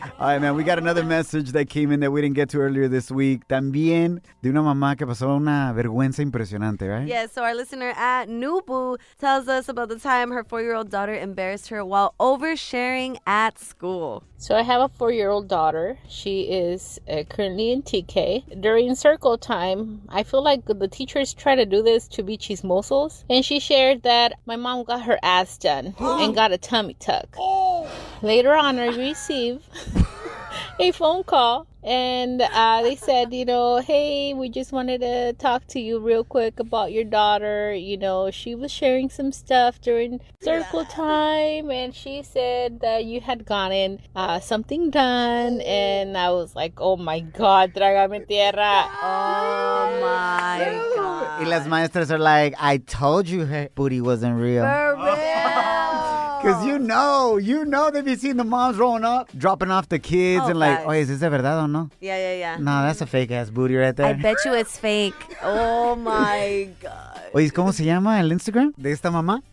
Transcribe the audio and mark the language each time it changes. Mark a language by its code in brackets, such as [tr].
[en] All right, man, we got another message that came in that we didn't get to earlier this week. [es] También de una mamá que pasó una vergüenza impresionante, [en] right? Yeah, so our listener at Nubu tells us about the time her 4-year-old daughter embarrassed her while oversharing at school. So I have a 4-year-old daughter. She is currently in TK. During circle time, I feel like the teachers try to do this to be chismosos. And she shared that my mom got her ass done and got a tummy tuck. Later on, I receive a phone call, and they said, you know, hey, we just wanted to talk to you real quick about your daughter. You know, she was sharing some stuff during circle time, and she said that you had gotten something done. And I was like, oh my God, [es] trágame tierra. [en] Oh my God. [es] Y las maestras [en] are like, I told you her booty wasn't real. For real. Because you know they've been seeing the moms rolling up, dropping off the kids, like, oh, is this [es] de verdad [en] or no? Yeah. No, that's a fake-ass booty right there. I bet you it's fake. Oh, my God. [es] Oye, ¿cómo se llama el Instagram de esta mamá?